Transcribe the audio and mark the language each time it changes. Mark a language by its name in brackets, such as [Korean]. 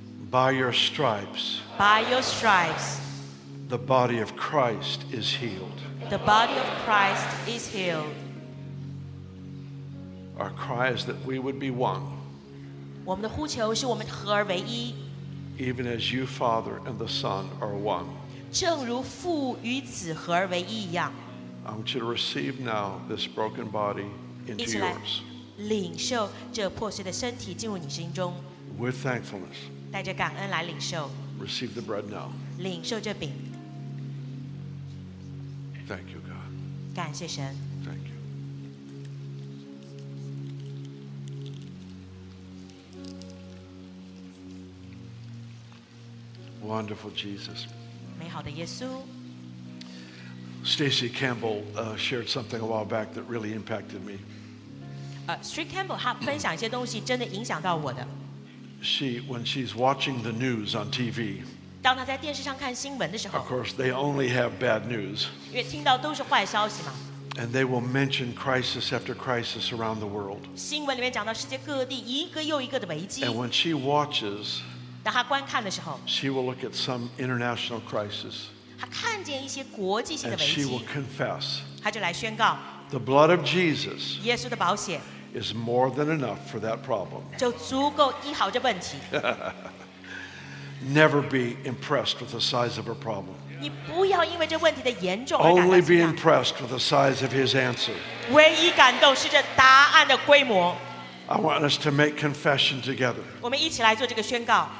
[English] By your stripes, the body of Christ is healed. The body of Christ is healed. Our cry is that we would be one. [Chinese] 我们的呼求是我们合而为一。 [English] Even as you, Father, and the Son are one. [Chinese] 正如父与子合而为一一样。 [English] I want you to receive now this broken body into yours. [Chinese] 一起来领受这破碎的身体进入你心中。 [English] With thankfulness. [Chinese] 带着感恩来领受。 [English] Receive the bread now. [Chinese] 领受这饼。 [English] Thank you, God. [Chinese] 感谢神。 [English] Wonderful Jesus. [Chinese] 美好的耶稣。 [English] Stacy Campbell shared something a while back that really impacted me. [Chinese] Street Campbell 她分享一些东西真的影响到我的。 [English] When she's watching the news on TV. [Chinese] 当她在电视上看新闻的时候。 [English] Of course, they only have bad news. [Chinese] 因为听到都是坏消息嘛。 [English] And they will mention crisis after crisis around the world. [Chinese] 新闻里面讲到世界各地一个又一个的危机。 [English] And when she watches. [Chinese] 当他观看的时候 [English] she will look at some international crisis. [Chinese] 他看见一些国际性的危机 [English] and she will confess. [Chinese] 他就来宣告 [English] the blood of Jesus. [Chinese] 耶稣的保险 [English] is more than enough for that problem. [Chinese] 就足够医好这问题 [English] Never be impressed with the size of a problem. [Chinese] 你不要因为这问题的严重 [English] Only be impressed with the size of his answer. [Chinese] 唯一感动是这答案的规模。 [English] I want us to make confession together. [Chinese] 我们一起来做这个宣告。